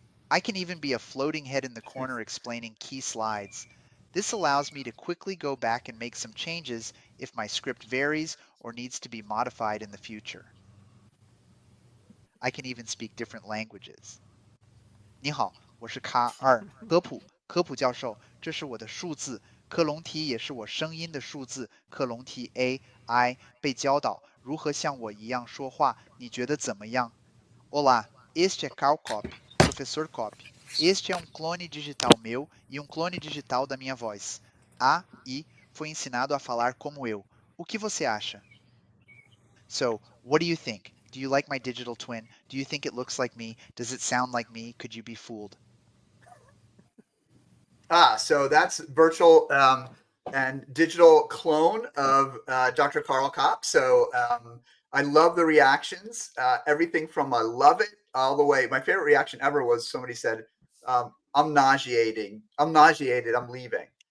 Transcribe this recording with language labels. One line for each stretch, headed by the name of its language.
English: I can even be a floating head in the corner explaining key slides. This allows me to quickly go back and make some changes if my script varies or needs to be modified in the future. I can even speak different languages.
Chinese: 你好,我是科普教授,这是我的数字,克隆体也是我声音的数字,克隆体AI,被教导如何像我一样说话,你觉得怎么样?
Portuguese: Olá, este é Karl Kapp, professor Kapp. Este é clone digital meu e clone digital da minha voz. AI foi ensinado a falar como eu. O que você acha?
English: So, what do you think? Do you like my digital twin? Do you think it looks like me? Does it sound like me? Could you be fooled? So that's virtual and digital clone of Dr. Karl Kapp. So I love the reactions, everything from I love it all the way. My favorite reaction ever was somebody said, I'm nauseated, I'm leaving.